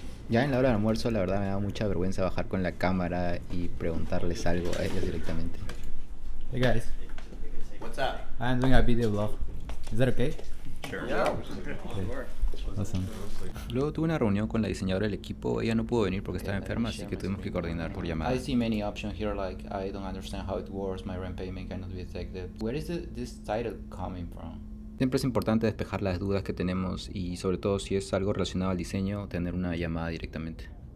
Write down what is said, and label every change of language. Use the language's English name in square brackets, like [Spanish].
[Spanish] Ya en la hora del almuerzo, la verdad me da mucha vergüenza bajar con la cámara y preguntarles algo a ellos directamente. [English] Hey guys. What's up? I'm doing a video vlog. Is that okay? Sure. Yeah. Okay. Awesome. [Spanish] Luego tuve una reunión con la diseñadora del equipo. Ella no pudo venir porque estaba enferma, así que tuvimos que coordinar por llamada. [English] I see many options here, like I don't understand how it works. My rent payment cannot be affected. Where is this title coming from? [Spanish] Siempre es importante despejar las dudas que tenemos y sobre todo si es algo relacionado al diseño, tener una llamada directamente.